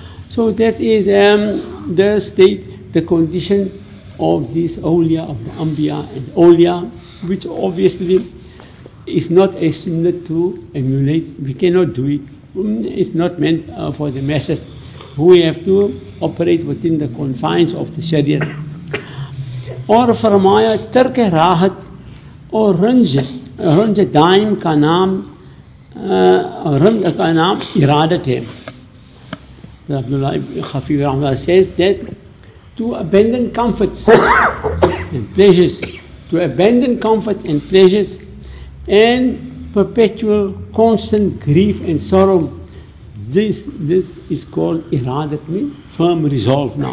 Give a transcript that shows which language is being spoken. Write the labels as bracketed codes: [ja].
[en] So that is the state, the condition of this awliya, of the anbiya and awliya, which obviously is not a sunnah to emulate. We cannot do it. It's not meant for the masses. We have to operate within the confines of the sharia. [ur] اور فرمایا ترک راحت اور رنج دائم کا نام رنج کا نام ارادت ہے. [en] Abdullah Khafi رحمۃ اللہ says that to abandon comforts and pleasures, to abandon comforts and pleasures and perpetual constant grief and sorrow, this is called ارادت, means firm resolve.